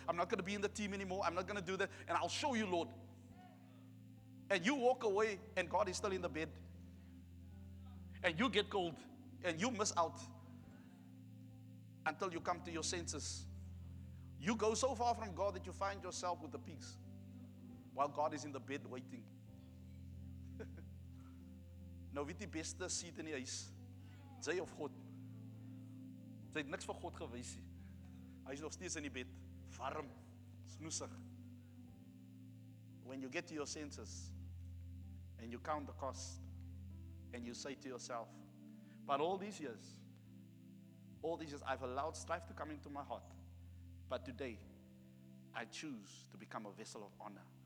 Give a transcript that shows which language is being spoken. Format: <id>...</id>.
<en>I'm not going to be in the team anymore. I'm not going to do that. And I'll show you, Lord. And you walk away, and God is still in the bed. And you get cold, and you miss out until you come to your senses. You go so far from God that you find yourself with the pigs while God is in the bed waiting.</en> <af>Nou weet die beste seat in die huis, jy of God. Jy het niks vir God gewys nie. Hy is nog steeds in die bed, warm, snoesig.</af> <en>When you get to your senses and you count the cost, and you say to yourself, but all these years, I've allowed strife to come into my heart. But today, I choose to become a vessel of honor.</en>